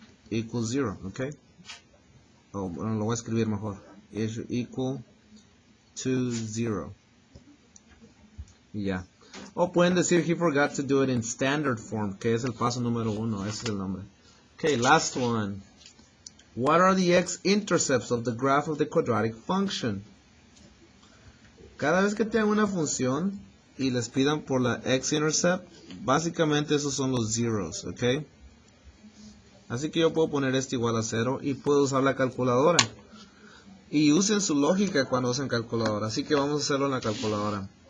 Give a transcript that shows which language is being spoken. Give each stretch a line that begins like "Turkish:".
English: equals 0,
Spanish: ok. Oh, bueno, lo voy a escribir mejor.
English: Is equal to 0. Ya. Yeah.
Spanish: O pueden decir
English: he forgot to do it in standard form,
Spanish: que es el paso número 1, ese es el nombre.
English: Ok, last one. What are the x-intercepts of the graph of the quadratic function?
Spanish: Cada vez que tengan una función y les pidan por la x-intercept, básicamente esos son los zeros, ok. Así que yo puedo poner esto igual a 0 y puedo usar la calculadora. Y usen su lógica cuando usen calculadora. Así que vamos a hacerlo en la calculadora.